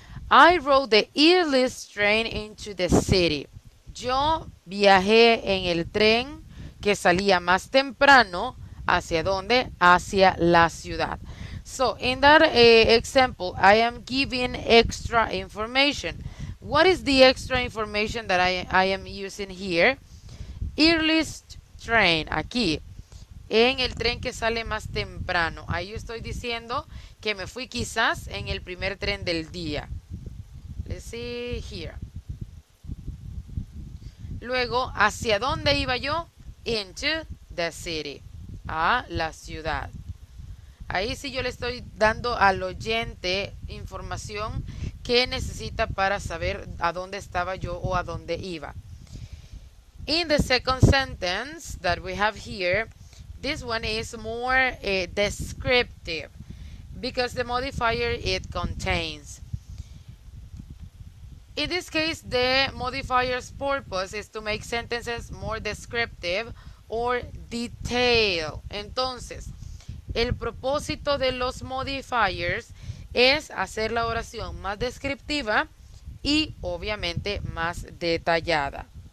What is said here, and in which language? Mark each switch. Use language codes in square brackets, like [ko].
[en] I rode the earliest train into the city. [es] Yo viajé en el tren que salía más temprano, ¿hacia dónde? Hacia la ciudad. [en] So, in that example, I am giving extra information. What is the extra information that I am using here? Earliest train, [es] aquí, en el tren que sale más temprano. Ahí yo estoy diciendo que me fui quizás en el primer tren del día. [en] Let's see here. [es] Luego, ¿hacia dónde iba yo? [en] Into the city. [es] A la ciudad. Ahí sí yo le estoy dando al oyente información que necesita para saber a dónde estaba yo o a dónde iba. [en] In the second sentence that we have here, this one is more descriptive because the modifier it contains. In this case, the modifier's purpose is to make sentences more descriptive or detailed. [es] Entonces, el propósito de los modifiers es hacer la oración más descriptiva y, obviamente, más detallada.